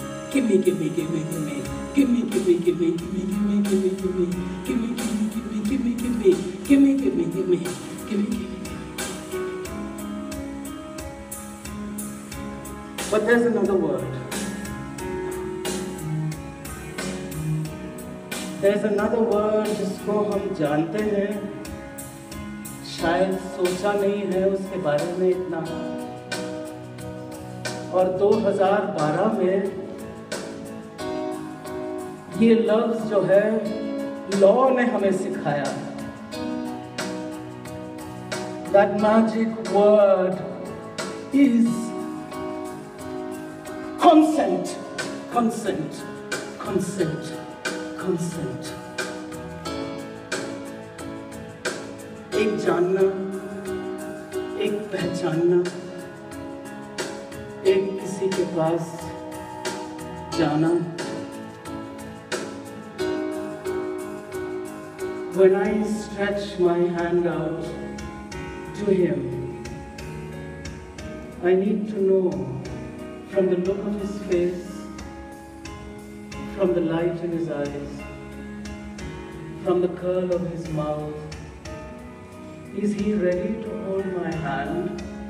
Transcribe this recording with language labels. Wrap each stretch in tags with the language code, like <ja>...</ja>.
<en>Gimme, gimme, gimme, gimme. Gimme, gimme, gimme, gimme, gimme, gimme, gimme, gimme, gimme, gimme, gimme, gimme, gimme, gimme, gimme, gimme, gimme. But there's another word. There's another word</en> <hi>जिसको हम जानते हैं, शायद सोचा नहीं है उसके बारे में इतना। और 2012 में ये लफ्ज जो है लॉ ने हमें सिखाया,</hi> <en>that magic word is consent, consent,</en> <hi>consent, consent. एक जानना, एक पहचानना, एक किसी के पास जाना.</hi> <en>When I stretch my hand out to him, I need to know from the look of his face, from the light in his eyes, from the curl of his mouth, is he ready to hold my hand?</en>